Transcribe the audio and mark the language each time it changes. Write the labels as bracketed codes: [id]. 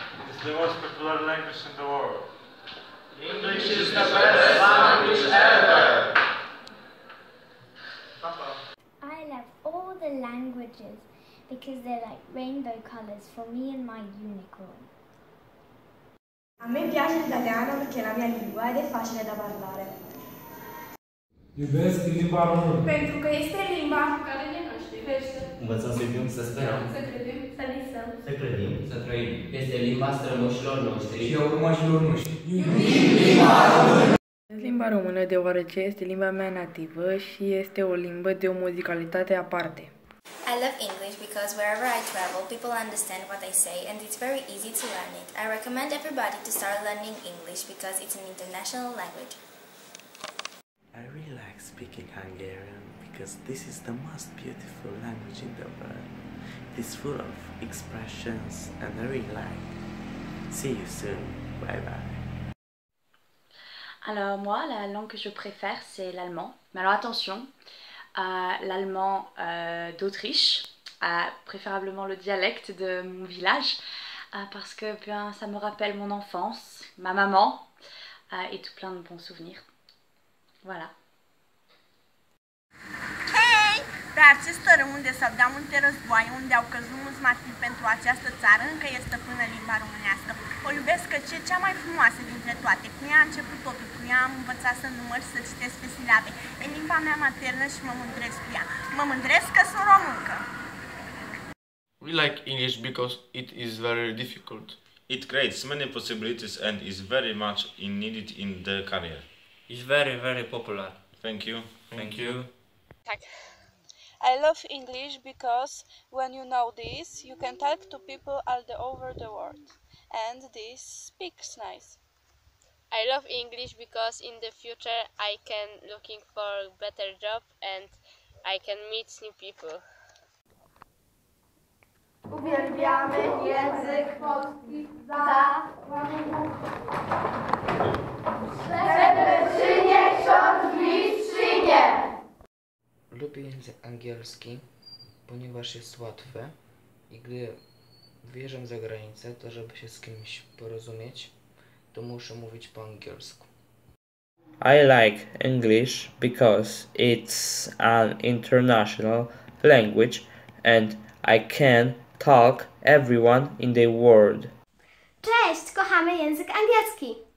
[en] It's the most popular language in the world. English is the best language ever. Papa. I love all the languages because they're like rainbow colors for me and my unicorn. [it] A me piace l'italiano perché è la mia lingua ed è facile da parlare. [ro] Iubesc limba română. Pentru că este limba care ne naștește. Învățăm să iubim, să sperăm. Să credim, să visăm. Să clădim, să trăim. Este limba strămoșilor noștri. Și urmașilor noștri. Iubim limba română! Limba română deoarece este limba mea nativă și este o limbă de o muzicalitate aparte. [en] I love English because wherever I travel, people understand what I say and it's very easy to learn it. I recommend everybody to start learning English because it's an international language. I really like speaking Hungarian because this is the most beautiful language in the world. It is full of expressions and I really like. See you soon. Bye bye. [fr] Alors moi, la langue que je préfère, c'est l'allemand. Mais alors attention, l'allemand d'Autriche, préférablement le dialecte de mon village, parce que bien, ça me rappelle mon enfance, ma maman, et tout plein de bons souvenirs. Voilà. [en] Hey! [ro] Pe acest tărâm unde s-au dat multe războaie, unde au căzut mulți martiri pentru această țară, încă e stăpână limba românească. O iubesc că e cea mai frumoasă dintre toate. Cu ea a început totul, cu ea am învățat să număr și să citesc pe silabe. E limba mea maternă și mă mândresc cu ea. Mă mândresc că sunt româncă. [en] We like English because it is very difficult. It creates many possibilities and is very much needed in the career. It's very, very popular. Thank you. Thank you. I love English because when you know this, you can talk to people all over the world. And this speaks nice. I love English because in the future I can looking for a better job and I can meet new people. [pl] Uwielbiamy język polski za przebyczynie, ksiądz bliższynie. Lubię język angielski, ponieważ jest łatwy i gdy wyjeżdżam za granicę, to żeby się z kimś porozumieć, to muszę mówić po angielsku. [en] I like English because it's an international language and I can talk everyone in the world. [pl] Cześć, kochamy język angielski.